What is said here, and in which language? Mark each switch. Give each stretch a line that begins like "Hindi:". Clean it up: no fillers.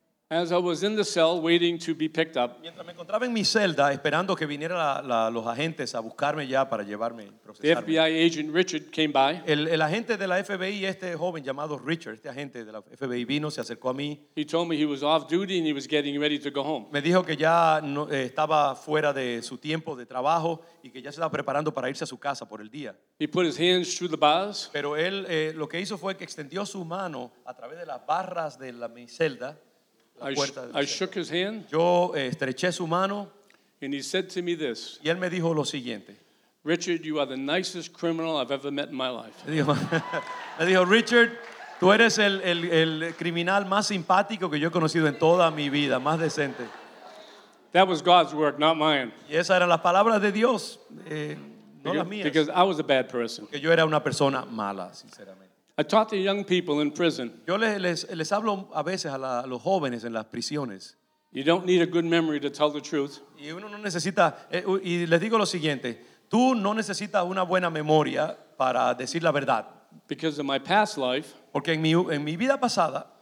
English: As I was in the cell waiting to be picked up.
Spanish: Mientras me encontraba en mi celda esperando que vinieran los agentes a buscarme ya para llevarme y procesarme.
English: The FBI agent Richard came by.
Spanish: El agente de la FBI, este joven llamado Richard, este agente de la FBI vino, se acercó a mí.
English: He told me he was off duty and he was getting ready to go home.
Spanish: Me dijo que ya no, estaba fuera de su tiempo de trabajo y que ya se estaba preparando para irse a su casa por el día.
English: He put his hands through the bars.
Spanish: Pero él lo que hizo fue que extendió su mano a través de las barras de mi celda.
English: I shook his hand.
Spanish: Yo estreché su mano.
English: And he said to me this.
Spanish: Y él me dijo lo siguiente.
English: Richard, you are the nicest criminal I've ever met in my life.
Spanish: Me dijo, Richard, tú eres el criminal más simpático que yo he conocido en toda mi vida, más decente.
English: That was God's work, not mine.
Spanish: Y esas eran las palabras de Dios, no las mías.
English: Because I was a bad person.
Spanish: Porque yo era una persona mala, sinceramente.
English: I talk to young people in prison.
Spanish: Yo les hablo a veces a los jóvenes en las prisiones.
English: You don't need a good memory to tell the truth.
Spanish: Y uno no necesita y les digo lo siguiente, tú no necesitas una buena memoria para decir la verdad.
English: Because of my past life,
Spanish: porque en mi vida pasada,